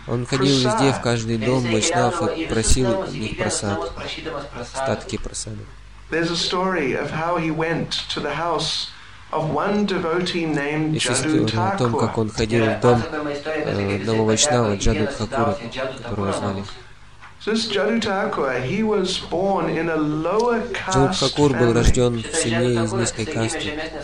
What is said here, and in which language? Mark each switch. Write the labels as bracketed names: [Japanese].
[Russian] Он ходил везде в каждый дом вайшнав и просил их просад, остатки просады. [English] There's a story of how he went to the house of one devotee named Jadu Thakur. [Russian] Ходил в дом одного вайшнава Джаду Такура, которого звали. [English] This Jadu Thakur, he was born in a lower caste. [Russian] Джаду Такур был рожден в семье из низкой касты.